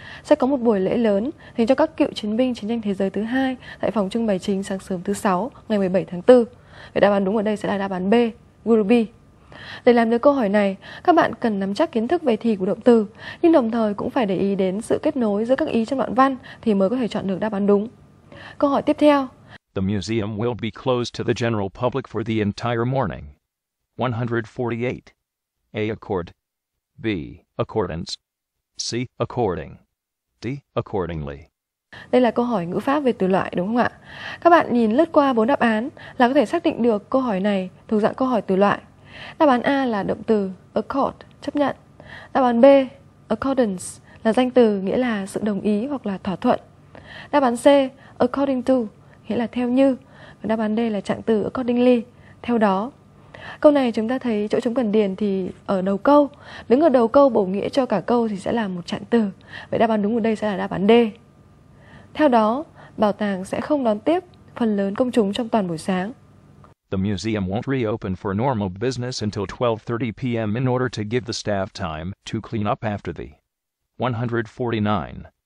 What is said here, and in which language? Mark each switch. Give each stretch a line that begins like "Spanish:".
Vietnamese: Sẽ có một buổi lễ lớn dành cho các cựu chiến binh chiến tranh thế giới thứ 2 tại phòng trưng bày chính sáng sớm thứ 6 ngày 17 tháng 4. Vậy đáp án đúng ở đây sẽ là đáp án B, will be. Để làm được câu hỏi này, các bạn cần nắm chắc kiến thức về thì của động từ, nhưng đồng thời cũng phải để ý đến sự kết nối giữa các ý trong đoạn văn thì mới có thể chọn được đáp án đúng. Câu hỏi tiếp theo.
English: The museum will be closed to the general public for the entire morning. 148. A. Accord. B. Accordance. C. According. D. Accordingly.
Vietnamese: Đây là câu hỏi ngữ pháp về từ loại đúng không ạ? Các bạn nhìn lướt qua 4 đáp án là có thể xác định được câu hỏi này thuộc dạng câu hỏi từ loại. Đáp án A là động từ accord, chấp nhận. Đáp án B, accordance, là danh từ nghĩa là sự đồng ý hoặc là thỏa thuận. Đáp án C, according to, nghĩa là theo như. Và đáp án D là trạng từ accordingly, theo đó. Câu này chúng ta thấy chỗ chúng cần điền thì ở đầu câu. Đứng ở đầu câu bổ nghĩa cho cả câu thì sẽ là một trạng từ. Vậy đáp án đúng ở đây sẽ là đáp án D. Theo đó, bảo tàng sẽ không đón tiếp phần lớn công chúng trong toàn buổi sáng.
English: The museum won't reopen for normal business until 12:30 p.m. in order to give the staff time to clean up after the 149.